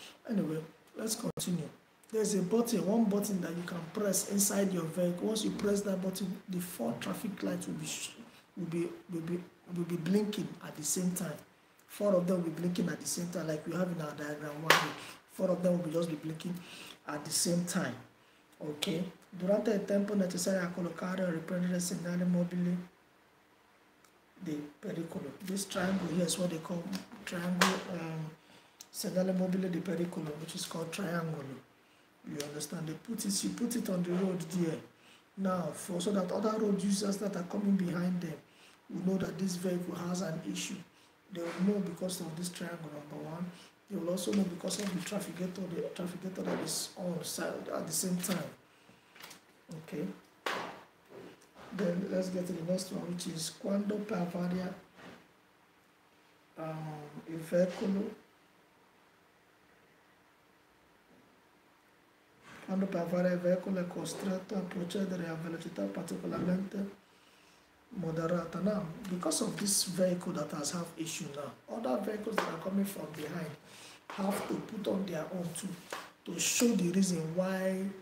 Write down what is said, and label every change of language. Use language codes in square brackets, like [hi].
[en] Anyway, let's continue. There's a button, one button that you can press inside your vehicle. Once you press that button, the four traffic lights will be blinking at the same time. Four of them will be blinking at the same time, like we have in our diagram one. Four of them will be just be blinking at the same time. Okay. [it] Durante il tempo necessario a collocare o riprendere il segnale mobile di pericolo. [en] This triangle here is what they call triangle segnale mobile di pericolo, which is called triangolo. You understand? They put it, she put it on the road there. Now, for so that other road users that are coming behind them will know that this vehicle has an issue. They will know because of this triangle, number one. They will also know because of the traffic gator that is on side at the same time. Okay. Then let's get to the next one, which is [it] quando pervaria il veicolo. Quando pervaria il veicolo è costretto a procedere a velocità particolarmente moderata. [en] Now, because of this vehicle that has have issue now, other vehicles that are coming from behind have to put on their own to show the reason why.